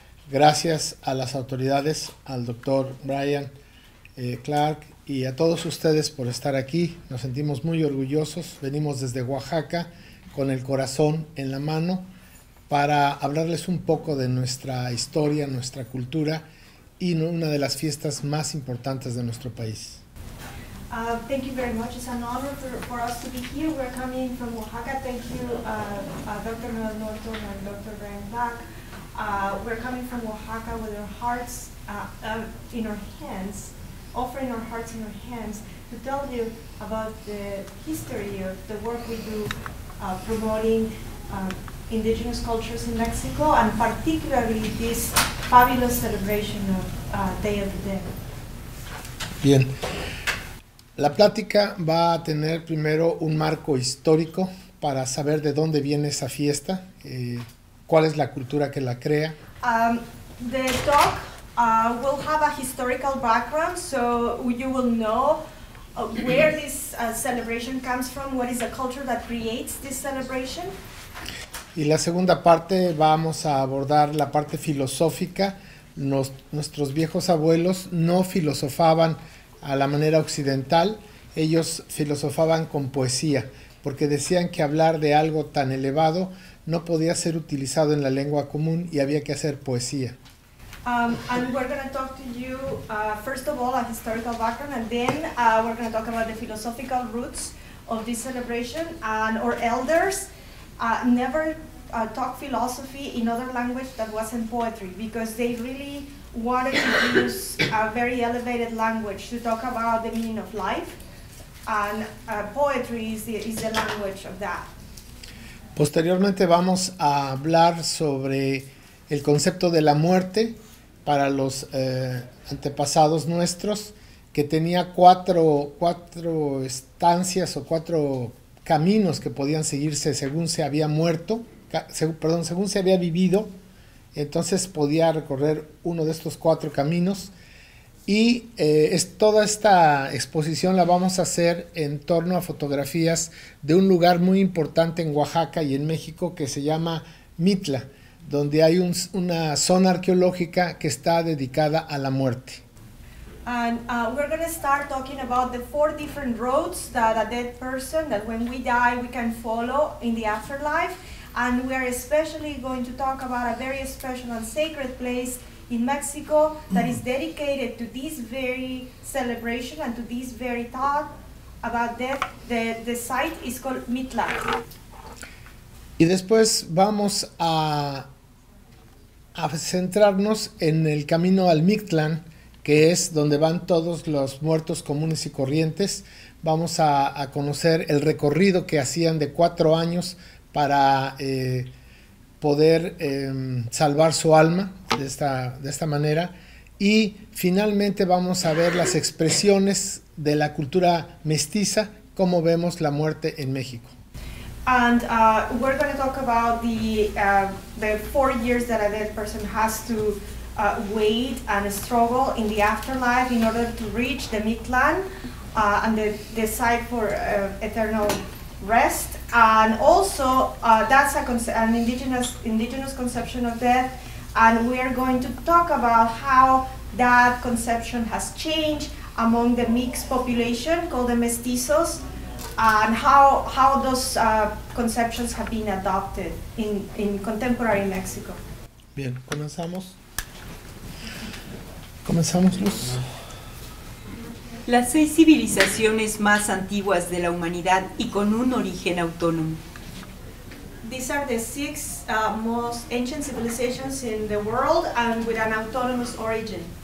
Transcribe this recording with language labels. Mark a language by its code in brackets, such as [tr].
[es] Gracias a las autoridades, al doctor Brian Clark y a todos ustedes por estar aquí. Nos sentimos muy orgullosos. Venimos desde Oaxaca con el corazón en la mano para hablarles un poco de nuestra historia, nuestra cultura y una de las fiestas más importantes de nuestro país. [en] Thank you very much. It's an honor for us to be here. We're coming from Oaxaca. Thank you, Dr. Noel Norton and Dr. Brian Black. We're coming from Oaxaca with our hearts in our hands, offering our hearts in our hands to tell you about the history of the work we do promoting indigenous cultures in Mexico, and particularly this fabulous celebration of Day of the Dead. [es] Bien. La plática va a tener primero un marco histórico para saber de dónde viene esa fiesta, cuál es la cultura que la crea. [en] The talk will have a historical background, so you will know where this celebration comes from, what is the culture that creates this celebration. [es] Y la segunda parte vamos a abordar la parte filosófica. Nuestros viejos abuelos no filosofaban a la manera occidental, ellos filosofaban con poesía, porque decían que hablar de algo tan elevado no podía ser utilizado en la lengua común y había que hacer poesía. [en] And we're going to talk to you, first of all, a historical background, and then we're going to talk about the philosophical roots of this celebration. And our elders never talk philosophy in other language that wasn't poetry, because they really wanted to use a very elevated language to talk about the meaning of life, and poetry is the language of that. [es] Posteriormente vamos a hablar sobre el concepto de la muerte para los antepasados nuestros, que tenía cuatro estancias o cuatro caminos que podían seguirse según se había muerto, según se había vivido. Entonces podía recorrer uno de estos cuatro caminos, y toda esta exposición la vamos a hacer en torno a fotografías de un lugar muy importante en Oaxaca y en México que se llama Mitla, donde hay una zona arqueológica que está dedicada a la muerte. [en] And we're going to start talking about the four different roads that a dead person, that when we die, we can follow in the afterlife. And we are especially going to talk about a very special and sacred place in Mexico that is dedicated to this very celebration and to this very thought about death. The site is called Mitla. [es] Y después vamos a centrarnos en el camino al Mictlán, que es donde van todos los muertos comunes y corrientes. Vamos a conocer el recorrido que hacían de 4 años para poder salvar su alma de esta manera. Y finalmente vamos a ver las expresiones de la cultura mestiza, cómo vemos la muerte en México. [en] And we're going to talk about the 4 years that a dead person has to wait and struggle in the afterlife in order to reach the Mictlán and the site for eternal rest. And also, that's an indigenous conception of death. And we are going to talk about how that conception has changed among the mixed population called the mestizos, and how those conceptions have been adopted in contemporary Mexico. [es] Bien, comenzamos. Comenzamos, Luz. Las 6 civilizaciones más antiguas de la humanidad y con un origen autónomo. [en] These are the 6 most ancient civilizations in the world and with an autonomous origin.